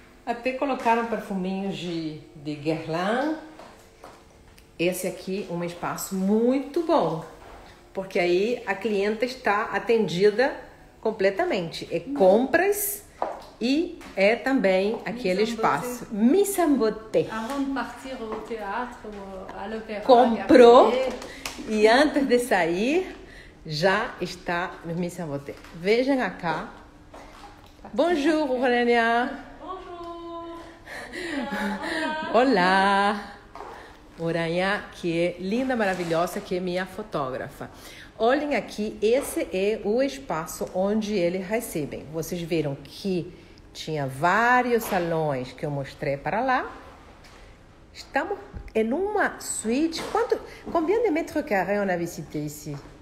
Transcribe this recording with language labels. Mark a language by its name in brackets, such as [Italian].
[Portuguese] Até colocaram perfuminhos de Guerlain. Esse aqui é um espaço muito bom, porque aí a clienta está atendida completamente. É compras e é também aquele espaço. [French] Mise en beauté. Avant de partir au théâtre ou à l'opéra. [Portuguese] Comprou e antes de sair já está no Mise en beauté. Vejam cá. [French] Bonjour, Aurélia. Bonjour. [Portuguese] Olá. Oranha, que é linda, maravilhosa, que é minha fotógrafa. Olhem aqui, esse é o espaço onde eles recebem. Vocês viram que tinha vários salões que eu mostrei para lá. Estamos em uma suíte. Quanto? [French] Combien de metros carrés on a visité ici?